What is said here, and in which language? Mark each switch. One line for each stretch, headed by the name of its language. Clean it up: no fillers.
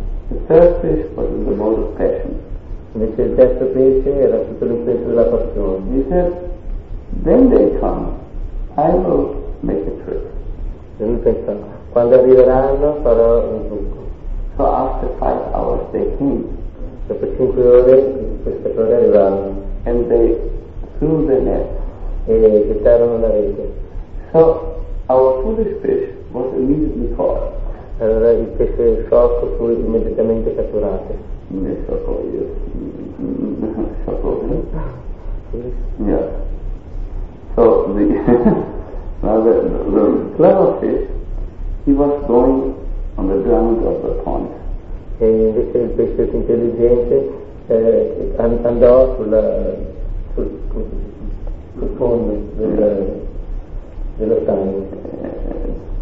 English: The third fish was in the mode of passion.
Italian: Invece il terzo pesce era tutto l'influenza della passione.
English: He said, "When they come, I will make a trip."
Italian: E lui pensa, quando arriveranno farò un trucco.
English: So after 5 hours they came.
Italian: Dopo 5 ore il pescatore arrivava.
English: And they threw the net.
Italian: e gettarono la rete.
English: So our foolish fish was immediately caught.
Italian: Allora il pesce del sciocco fu immediatamente catturato. Messo poi io.
English: So the now the clever fish, he was going on the ground of the pond.
Italian: E invece il pesce più intelligente andò sul fondo dello stagno.